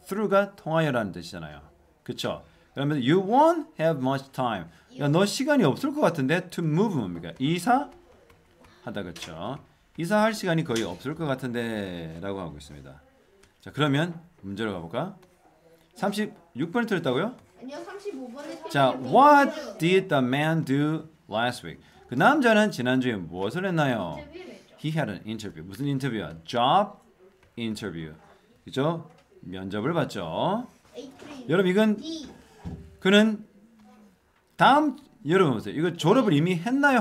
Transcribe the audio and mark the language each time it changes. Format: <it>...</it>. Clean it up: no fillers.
<ko>Through가 통하여라는 뜻이잖아요. 그렇죠? 그러면</ko> <en>you won't have much time.</en> <ko>야, 너 시간이 없을 것 같은데</ko> <en>to move</en> <ko>뭡니까? 이사하다. 그렇죠? 이사할 시간이 거의 없을 것 같은데 라고 하고 있습니다. 자, 그러면 문제로 가볼까? 36번에 틀렸다고요? 아니요, 35번에</ko> <en>자, what did the man do last week?</en> <ko>그 남자는 지난주에 무엇을 했나요?</ko> <en>He had an interview.</en> <ko>무슨 인터뷰야?</ko> <en>Job interview.</en> <ko>그죠? 면접을 봤죠? 여러분, 이건 그는 다음 여러분 보세요. 이거 졸업을 이미 했나요?</ko>